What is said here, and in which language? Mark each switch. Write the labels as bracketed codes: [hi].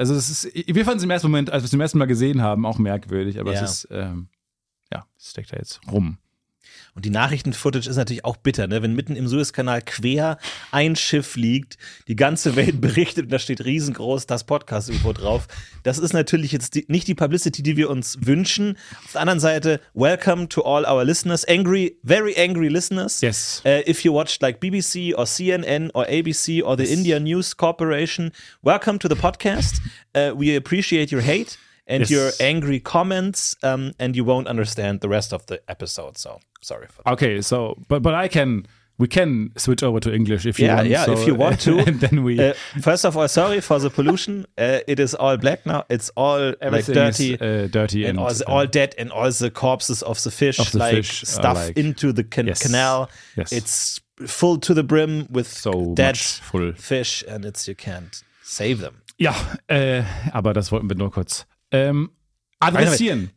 [de] Also wir fanden es im ersten Moment, als wir es zum ersten Mal gesehen haben, auch merkwürdig, aber es ist, es steckt da jetzt rum. Und die Nachrichten-Footage ist natürlich auch bitter, ne? Wenn mitten im Suezkanal quer ein Schiff liegt, die ganze Welt berichtet und da steht riesengroß das Podcast-UFO drauf. Das ist natürlich jetzt nicht die Publicity, die wir uns wünschen. Auf der anderen Seite, [en] welcome to all our listeners. Angry, very angry listeners. Yes. If you watched like BBC or CNN or ABC or the India News Corporation, welcome to the podcast. We appreciate your hate and your angry comments and you won't understand the rest of the episode, so. Sorry for that. Okay, so but we can switch over to English if you want. Yeah, so, if you want to. And then we first of all, sorry for the pollution. It is all black now. It's all everything like dirty, is, dirty, and all dead, and all the corpses of the fish, of the like fish stuff like, into the canal. Yes. It's full to the brim with so dead much full fish, and it's you can't save them. [de] Yeah, aber das wollten wir nur kurz adressieren.